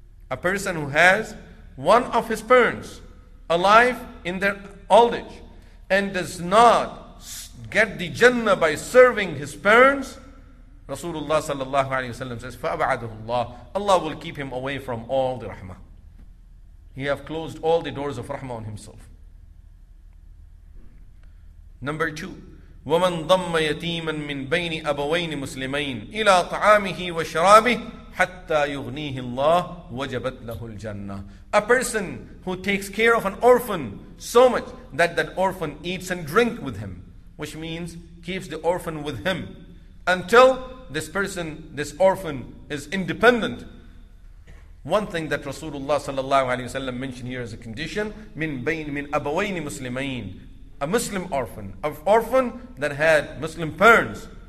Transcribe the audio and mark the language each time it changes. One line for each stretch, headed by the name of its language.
English: A person who has one of his parents alive in their old age and does not get the Jannah by serving his parents, Rasulullah sallallahu alayhi wa sallam says,
Arabic: فَأَبْعَدُهُ اللَّهُ,
English: Allah will keep him away from all the rahmah. He have closed all the doors of rahmah on himself. Number two,
Arabic: وَمَنْ ضَمَّ يَتِيمًا مِنْ بَيْنِ أَبَوَيْنِ مُسْلِمَيْنِ إِلَىٰ طَعَامِهِ وَشَرَابِهِ حتى يغنيه الله وجبت له الجنة.
English: A person who takes care of an orphan so much that that orphan eats and drinks with him, which means keeps the orphan with him until this person, this orphan is independent. One thing that Rasulullah sallallahu alaihi wasallam mentioned here as a condition,
Arabic: min abawain muslimain,
English: a Muslim orphan, an orphan that had Muslim parents.